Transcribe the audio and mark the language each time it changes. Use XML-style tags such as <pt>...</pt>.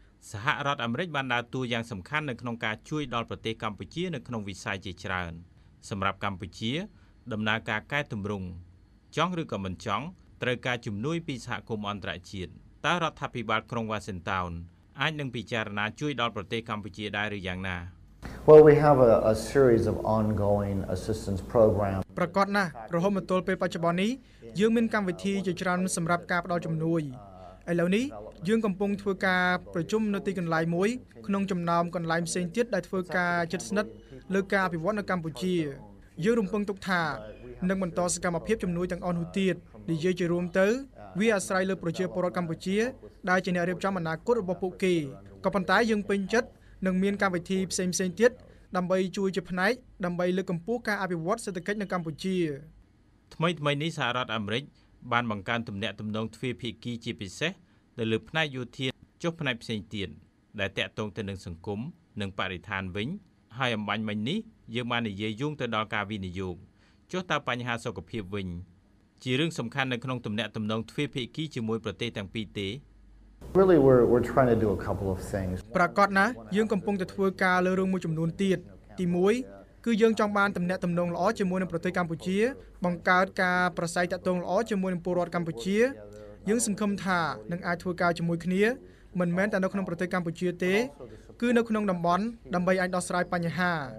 <km>សហរដ្ឋអាមេរិកបានដើរតួយ៉ាងសំខាន់នៅក្នុងការជួយដល់ប្រទេសកម្ពុជានៅក្នុងវិស័យជាច្រើនសម្រាប់កម្ពុជាដំណើរការកែទម្រង់ចង់ឬក៏មិនចង់ត្រូវការជំនួយពីសហគមន៍អន្តរជាតិតើរដ្ឋាភិបាលក្រុងវ៉ាស៊ីនតោនអាចនឹងពិចារណាជួយដល់ប្រទេសកម្ពុជាដែរឬយ៉ាងណា</km> <en>Well we have a series of ongoing assistance program</en> <km>ប្រកបណាស់រហូតមកទល់ពេលបច្ចុប្បន្ននេះយើងមានកម្មវិធីជាច្រើនសម្រាប់ការផ្តល់ជំនួយឥឡូវនេះយើងកំពុងធ្វើការប្រជុំនៅទីកន្លែងមួយក្នុងចំណោមកន្លែងផ្សេងទៀតដែលធ្វើការជិតស្និទ្ធលើការអភិវឌ្ឍនៅកម្ពុជា យើងរំពឹងទុកថានឹងបន្តសកម្មភាពជំនួយទាំងអស់នោះទៀតនិយាយជារួមទៅវាអាស្រ័យលើប្រជាពលរដ្ឋកម្ពុជាដែលជាអ្នករៀបចំអនាគតរបស់ពួកគេក៏ប៉ុន្តែយើងពេញចិត្តនឹងមានកម្មវិធីផ្សេងៗទៀតដើម្បីជួយជាផ្នែកដើម្បីលើកកម្ពស់ការអភិវឌ្ឍសេដ្ឋកិច្ចនៅកម្ពុជា ថ្មីៗនេះសហរដ្ឋអាមេរិកបានបង្កើនទំនាក់ទំនងទ្វេភាគីជាពិសេសទៅលើផ្នែកយោធាចុះផ្នែកផ្សេងទៀតដែលតាក់ទងទៅនឹងសង្គមនិងបរិស្ថានវិញហើយអំបញ្ញមិញនេះយើងបាននិយាយយោងទៅដល់ការវិនិយោគចុះតើបញ្ហាសុខភាពវិញជារឿងសំខាន់នៅក្នុងទំនាក់ទំនងទ្វេភាគីជាមួយប្រទេសទាំងពីរទេ</km> <en>Really we're trying to do a couple of things</en> <km>ប្រកបណាយើងកំពុងតែធ្វើការលើរឿងមួយចំនួនទៀតទី1គឺយើងចង់បានទំនាក់ទំនងល្អជាមួយនឹងប្រទេសកម្ពុជាបង្កើតការប្រស័យតាក់ទងល្អជាមួយនឹងពលរដ្ឋកម្ពុជាយើងសង្ឃឹមថានឹងអាចធ្វើការជាមួយគ្នាមិនមែនតែនៅក្នុងប្រទេសកម្ពុជាទេគឺនៅក្នុងតំបន់ដើម្បីអាចដោះស្រាយបញ្ហា</km>